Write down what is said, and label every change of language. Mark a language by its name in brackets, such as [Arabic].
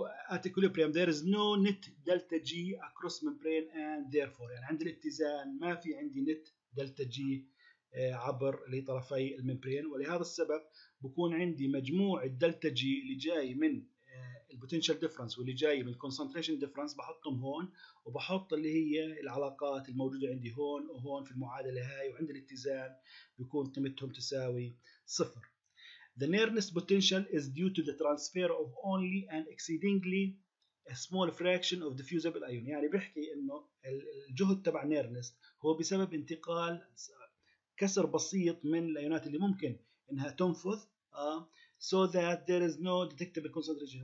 [English] at equilibrium there is no net delta G across membrane and therefore [Arabic] يعني عند الاتزان ما في عندي net delta G عبر لطرفي الممبرين، ولهذا السبب بكون عندي مجموع الدلتا G اللي جاي من البوتنشال ديفرنس واللي جاي من الكونسنتريشن ديفرنس بحطهم هون، وبحط اللي هي العلاقات الموجودة عندي هون وهون في المعادلة هاي، وعند الاتزان بكون قيمتهم تساوي صفر. [English] The nearness potential is due to the transfer of only an exceedingly small fraction of diffusible ion. [Arabic] يعني بحكي انه الجهد تبع nearness هو بسبب انتقال كسر بسيط من الايونات اللي ممكن انها تنفذ [English] so that there is no detectable concentration.